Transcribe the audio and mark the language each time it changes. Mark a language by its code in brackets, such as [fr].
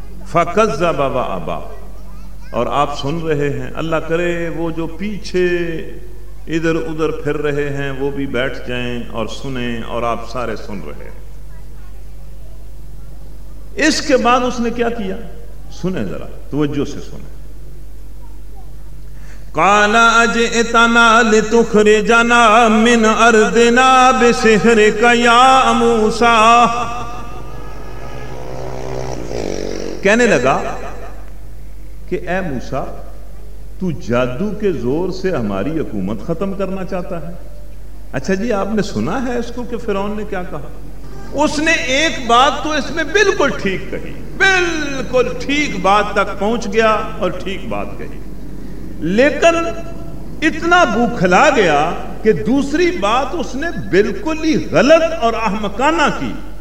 [ar] فَكَذَّبَ وَأَبَى، [ur] اور آپ سن رہے ہیں، اللہ کرے وہ جو پیچھے ادھر ادھر پھر رہے ہیں وہ بھی بیٹھ جائیں اور سنیں، اور آپ سارے سن رہے ہیں۔ اس کے بعد اس نے کیا کیا، سنیں ذرا توجہ سے سنیں۔ [ar] قال اجئتنا لتخرجنا من ارضنا بسحرك یا موسیٰ، [ur] کہنے لگا کہ اے موسیٰ، تو جادو کے زور سے ہماری حکومت ختم کرنا چاہتا ہے۔ اچھا جی، آپ نے سنا ہے اس کو کہ فرعون نے کیا کہا؟ اس نے ایک بات تو اس میں بالکل ٹھیک کہی، بالکل ٹھیک بات تک پہنچ گیا اور ٹھیک بات کہی، لیکن اتنا بوکھلا گیا کہ دوسری بات اس نے بالکل ہی غلط اور احمقانہ کی۔